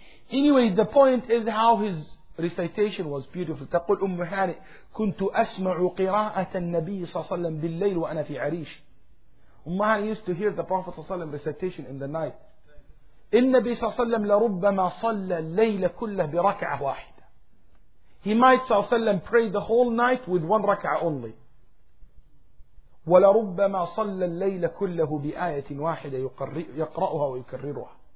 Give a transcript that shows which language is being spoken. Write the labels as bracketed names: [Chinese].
[English] Anyway, the point is how his recitation was beautiful. [Arabic] تقول أم هاني كنت أسمع قراءة النبي صلى الله عليه وسلم بالليل وأنا في عريش. [English] Ummahan used to hear the Prophet ﷺ recitation in the night. [Arabic] إِنَّبِي صَلَّمْ لَرُبَّمَا صَلَّى اللَّيْلَ كُلَّهُ بِرَكْعَةٍ وَاحِدَةٍ. [English] He might, ﷺ, pray the whole night with one rak'ah only. [Arabic] وَلَرُبَّمَا صَلَّى اللَّيْلَ كُلَّهُ بِآيَةٍ وَاحِدَةٍ يَقْرَأُهَا وَيُكَرِّرُهَا.